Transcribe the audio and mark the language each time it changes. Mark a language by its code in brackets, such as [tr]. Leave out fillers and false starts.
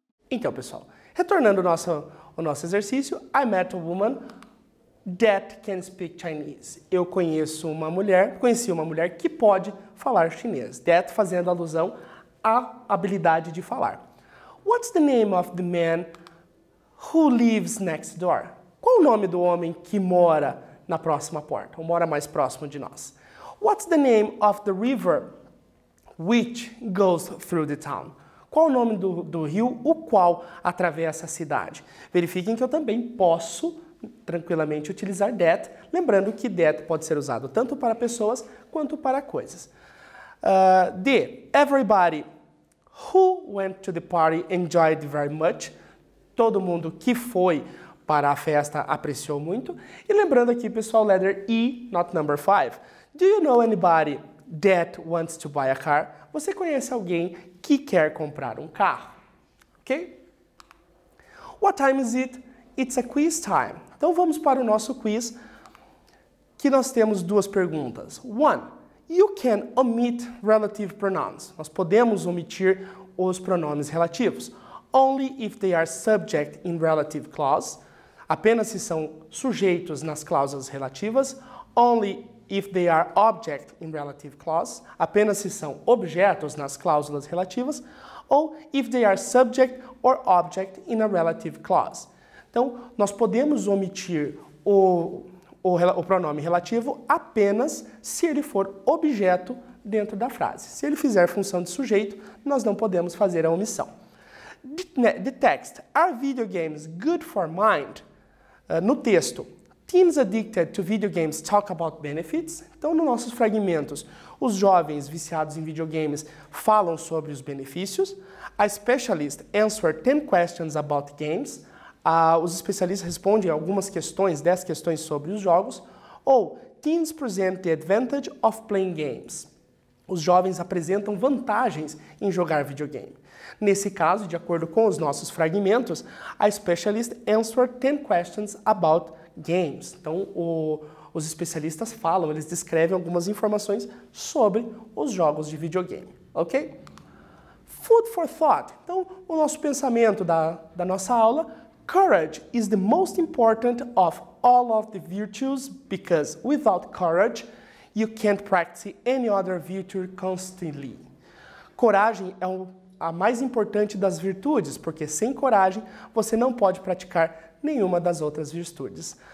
[pt] Então, pessoal, retornando ao nosso exercício, [en] I met a woman that can speak Chinese. [pt] Eu conheço uma mulher, conheci uma mulher que pode falar chinês. That fazendo alusão à habilidade de falar. [en] What's the name of the man who lives next door? [pt] Qual o nome do homem que mora na próxima porta, ou mora mais próximo de nós? [en] What's the name of the river which goes through the town? [pt] Qual o nome do rio o qual atravessa a cidade? Verifiquem que eu também posso tranquilamente utilizar that, lembrando que that pode ser usado tanto para pessoas quanto para coisas. [en] The everybody who went to the party enjoyed very much. [pt] Todo mundo que foi para a festa apreciou muito. E lembrando aqui, pessoal, [en] letter E, not number 5. Do you know anybody that wants to buy a car? [pt] Você conhece alguém que quer comprar um carro? Ok? [en] What time is it? It's a quiz time. [pt] Então vamos para o nosso quiz, que nós temos duas perguntas. [en] One, you can omit relative pronouns. [pt] Nós podemos omitir os pronomes relativos. [en] Only if they are subject in relative clause. [pt] Apenas se são sujeitos nas cláusulas relativas. [en] Only if they are object in relative clause. [pt] Apenas se são objetos nas cláusulas relativas. Ou [en] if they are subject or object in a relative clause. [pt] Então, nós podemos omitir o pronome relativo apenas se ele for objeto dentro da frase. Se ele fizer função de sujeito, nós não podemos fazer a omissão. [en] The text. Are video games good for mind? [pt] No texto, [en] teens addicted to video games talk about benefits. [pt] Então, nos nossos fragmentos, os jovens viciados em videogames falam sobre os benefícios. [en] A specialist answered 10 questions about games. [pt] Os especialistas respondem algumas questões, 10 questões sobre os jogos. [en] Ou, teens present the advantage of playing games. [pt] Os jovens apresentam vantagens em jogar videogame. Nesse caso, de acordo com os nossos fragmentos, [en] a specialist answered 10 questions about games. [pt] Então, os especialistas falam, eles descrevem algumas informações sobre os jogos de videogame. Ok? [en] Food for thought. [pt] Então, o nosso pensamento da nossa aula. [en] Courage is the most important of all of the virtues because without courage, you can't practice any other virtue constantly. [pt] Coragem é a mais importante das virtudes, porque sem coragem você não pode praticar nenhuma das outras virtudes.